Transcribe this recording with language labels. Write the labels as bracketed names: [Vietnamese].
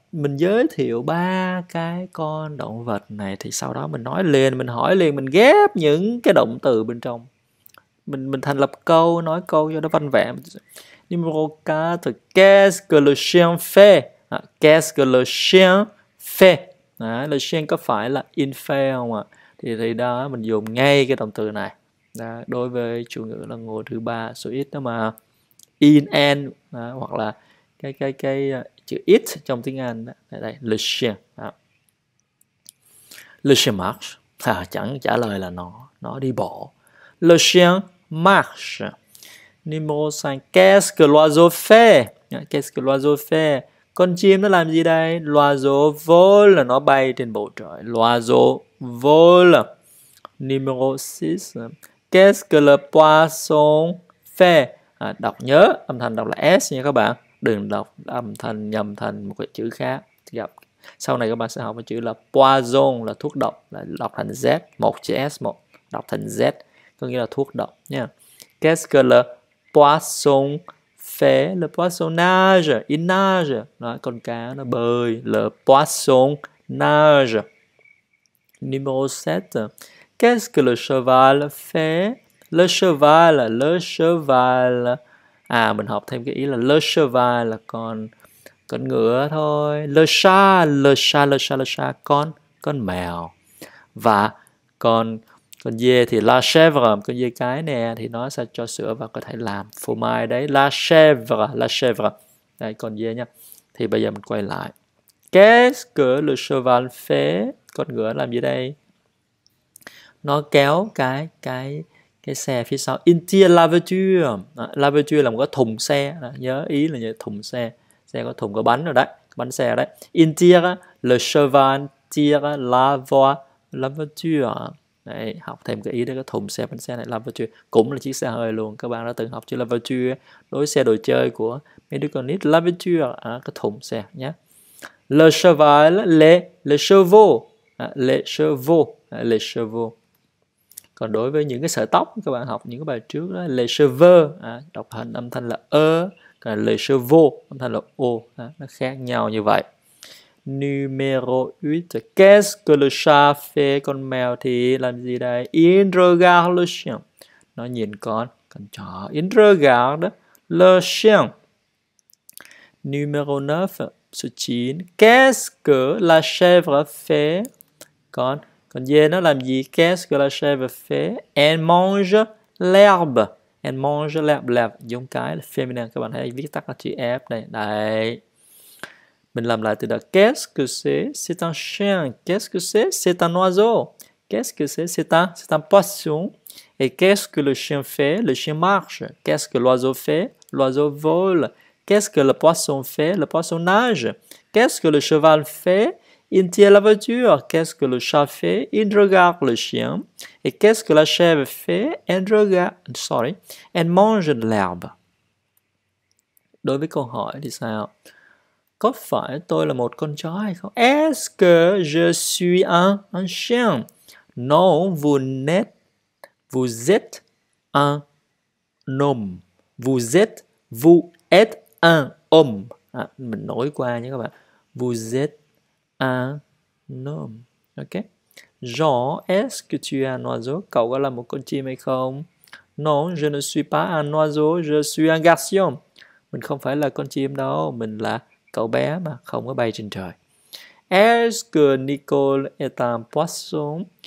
[Vietnamese] Mình giới thiệu ba cái con động vật này thì sau đó mình nói liền, mình hỏi liền, mình ghép những cái động từ bên trong. Mình thành lập câu, nói câu cho nó văn vẻ. [French] Numéro 4. Qu'est-ce que le chien fait? Qu'est-ce que le chien fait? [Vietnamese] Le chien có phải là [French] il fait [Vietnamese] không ạ? Thì đó, mình dùng ngay cái động từ này. Đó, đối với chủ ngữ là ngôi thứ ba số ít đó mà. In and hoặc là cái chữ it trong tiếng Anh đó. [French] Đây, le chien. Đó. Le chien marche. [Vietnamese] Chẳng trả lời là nó đi bộ. [French] Le chien marche. Numéro 5. Qu'est-ce que l'oiseau fait? Qu'est-ce que l'oiseau fait? [Vietnamese] Con chim nó làm gì đây? [French] L'oiseau vole, [Vietnamese] là nó bay trên bầu trời. [French] L'oiseau vole. Numéro 6. Qu'est-ce que le poisson fait? [Vietnamese] Đọc nhớ, âm thanh đọc là S nha các bạn. Đừng đọc âm thanh nhầm thành một cái chữ khác. Gặp sau này các bạn sẽ học cái chữ là poison, là thuốc độc, là đọc thành Z, một chữ S một đọc thành Z, có nghĩa là thuốc độc nha. [French] Qu'est-ce que le poisson fait? Le poisson nage, il nage. [Vietnamese] Đó, con cá nó bơi. [French] Le poisson nage. Numéro 7. Qu'est-ce que le cheval fait? Le cheval. [Vietnamese] À, mình học thêm cái ý là le cheval là con con ngựa thôi. [French] Le chat, [Vietnamese] con mèo. Và con dê thì [French] la chèvre, [Vietnamese] con dê cái nè, thì nó sẽ cho sữa và có thể làm phô mai đấy. [French] La chèvre. [Vietnamese] Đây, con dê nha. Thì bây giờ mình quay lại. [French] Qu'est-ce que le cheval fait? [Vietnamese] Con ngựa làm gì đây? Nó kéo cái xe phía sau. [French] In tire la voiture. La voiture [Vietnamese] là một cái thùng xe. Nhớ ý là như thùng xe. Xe có thùng có bánh rồi đấy. Bánh xe đấy. [French] In tire le cheval tire la voiture. [Vietnamese] Đấy, học thêm cái ý đấy, cái thùng xe, bánh xe này, [French] la voiture. [Vietnamese] Cũng là chiếc xe hơi luôn. Các bạn đã từng học chứ, [French] la voiture. [Vietnamese] Đối xe đồ chơi của mấy đứa con nít. [French] La voiture, [Vietnamese] cái thùng xe nhé. [French] Le cheval, les chevaux. [Vietnamese] Còn đối với những cái sợi tóc, các bạn học những cái bài trước đó, [French] les cheveux, [Vietnamese] đọc hình âm thanh là ơ, còn [French] les chevaux, [Vietnamese] âm thanh là ô, nó khác nhau như vậy. [French] Numéro 8, qu'est-ce que le chat fait? [Vietnamese] Con mèo thì làm gì đây? [French] Il regarde le chien. [Vietnamese] Nó nhìn con chó, [French] il regarde [Vietnamese] đó, le chien. [French] Numéro 9, [Vietnamese] số 9, [French] qu'est-ce que la chèvre fait? [Vietnamese] Con dê nó làm gì? [French] Qu'est-ce que la chèvre fait? Elle mange l'herbe. Elle mange l'herbe. L'herbe [Vietnamese] giống cái là feminine. Các bạn thấy viết tắt là chữ F này. Đấy. Mình làm lại từ đầu. [French] Qu'est-ce que c'est? C'est un chien. Qu'est-ce que c'est? C'est un oiseau. Qu'est-ce que c'est? C'est un poisson. Et qu'est-ce que le chien fait? Le chien marche. Qu'est-ce que l'oiseau fait? L'oiseau vole. Qu'est-ce que le poisson fait? Le poisson nage. Qu'est-ce que le cheval fait? Il tire la voiture. Qu'est-ce que le chat fait? Il regarde le chien. Et qu'est-ce que la chèvre fait? Elle regarde. Sorry. Elle mange de l'herbe. [Vietnamese] Đối với câu hỏi thì sao? Có phải tôi là một con chó hay không? [French] Est-ce que je suis un chien? Non, vous êtes un homme. Vous êtes un homme. [Vietnamese] Mình nói qua nhé các bạn. [French] Vous êtes un homme. Ok. Jean, est-ce que tu es un oiseau? [Vietnamese] Cậu có là một con chim hay không? [French] Non, je ne suis pas un oiseau. Je suis un garçon. [Vietnamese] Mình không phải là con chim đâu. Mình là cậu bé mà không có bay trên trời. [French] Est-ce que Nicole est un poisson?